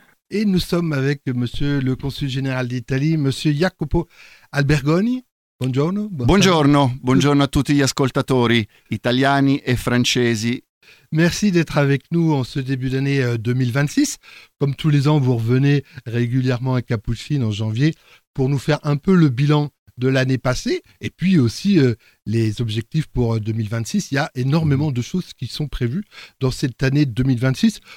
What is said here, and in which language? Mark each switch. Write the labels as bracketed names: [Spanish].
[French] Et nous sommes avec monsieur le consul général d'Italie, monsieur Jacopo Albergoni. [Italian] Buongiorno. Buongiorno. Buongiorno a tutti gli ascoltatori italiani e francesi. [French] Merci d'être avec nous en ce début d'année 2026. Comme tous les ans, vous revenez régulièrement à Capucine en janvier pour nous faire un peu le bilan de l'année passée et puis aussi les objectifs pour 2026. Il y a énormément de choses qui sont prévues dans cette année 2026.